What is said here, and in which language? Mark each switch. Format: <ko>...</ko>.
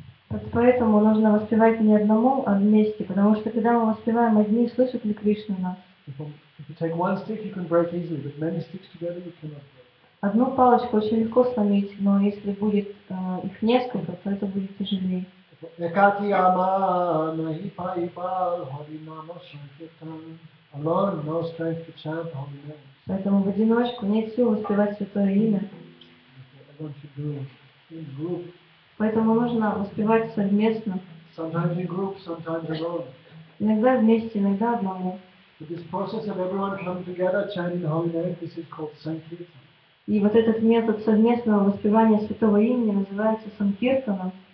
<ru>Вот поэтому нужно воспевать не одному, а вместе, потому что когда мы воспеваем одни, слышит ли Кришна нас?</ru> <en>If you take one stick, you can break easily, but many sticks together, you cannot break.</en> <ru>Одну палочку очень легко сломить, но если будет их несколько, то это будет тяжелее.</ru> <bn>Ekati ama nahi pai pal hari nama sankirtan.</bn> <en>Alone, no strength to chant holy names.</en> <ru>Поэтому в одиночку нет сил воспевать святое имя.</ru> <en>Everyone should do it in group.</en> <ru>Поэтому нужно воспевать совместно.</ru> <en>Sometimes in group, sometimes alone.</en> <ru>Иногда вместе, иногда одному.</ru> <en>But this process of everyone coming together chanting holy names, this is called sankirtan.</en> <ru>И вот этот метод совместного воспевания святого имени называется санкиртаном.</ru>